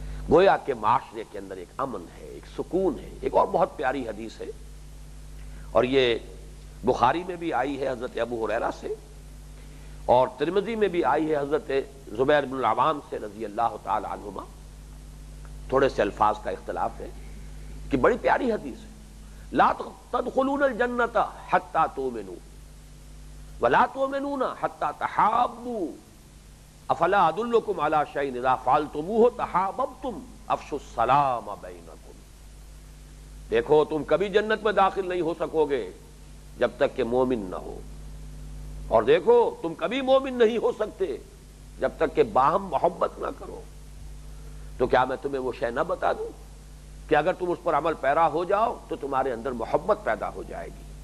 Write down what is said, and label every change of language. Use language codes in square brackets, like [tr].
[ur] گویا کے معاشرے کے اندر ایک امن ہے, ایک سکون ہے. ایک اور بہت پیاری حدیث ہے, اور یہ بخاری میں بھی آئی ہے حضرت ابو ہریرہ سے, اور ترمذی میں بھی آئی ہے حضرت زبیر بن العوام سے رضی اللہ تعالی عنہما. تھوڑے سے الفاظ کا اختلاف ہے کہ بڑی پیاری حدیث ہے. [ar] لا تدخلون الجنة حتى تؤمنوا ولا تؤمنون حتى تحابوا افلا ادلكم على شيء اذا فعلتموه تحاببتم افشوا السلام بينكم. [ur] دیکھو تم کبھی جنت میں داخل نہیں ہو سکو گے جب تک کہ مومن نہ ہو, اور دیکھو تم کبھی مومن نہیں ہو سکتے جب تک کہ باہم محبت نہ کرو. تو کیا میں تمہیں وہ شے نہ بتا دوں کہ اگر تم اس پر عمل پیرا ہو جاؤ تو تمہارے اندر محبت پیدا ہو جائے گی.